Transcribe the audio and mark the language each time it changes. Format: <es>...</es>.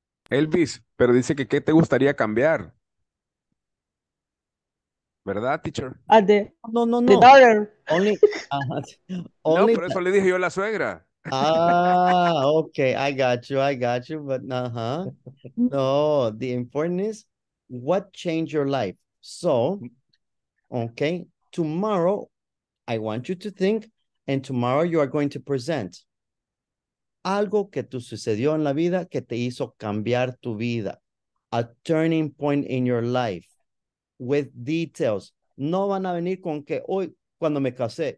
<es>Elvis, pero dice que qué te gustaría cambiar. ¿Verdad, teacher? No.</es> <en>The daughter. Only</en> <es>no, por eso le dije yo a la suegra.</es> <en>Okay. I got you. But, No, the important is what changed your life. So, okay, tomorrow I want you to think, and tomorrow you are going to present.</en> <es>Algo que tú sucedió en la vida que te hizo cambiar tu vida.</es> <en>A turning point in your life. With details.</en> <es>No van a venir con que hoy cuando me casé.</es>